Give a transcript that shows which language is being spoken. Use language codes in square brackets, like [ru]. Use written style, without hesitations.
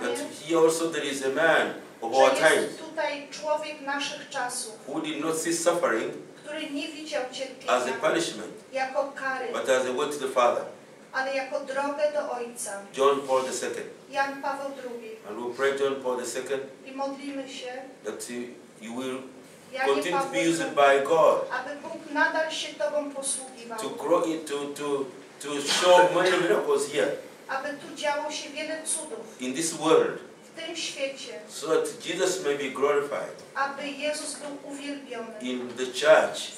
[en] that he also, there is a man of our [pl] że jest tutaj człowiek naszych czasów, [en] who did not see suffering, [pl] który nie widział cierpienia [en] as a punishment, [pl] jako kary, [en] but as a way to the Father, [pl] ale jako drogę do Ojca. [en] John Paul II. [pl] Jan Paweł II. [en] And we pray John Paul II, [pl] i modlimy się, [en] that you will continue to be used by God, [pl] aby Bóg nadal się Tobą posługiwał, [en] to grow it, to show many miracles here, [pl] aby tu działo się wiele cudów, [en] in this world, [pl] w tym świecie, [en] so that Jesus may be glorified, [pl] aby Jezus był uwielbiony, [en] in the church,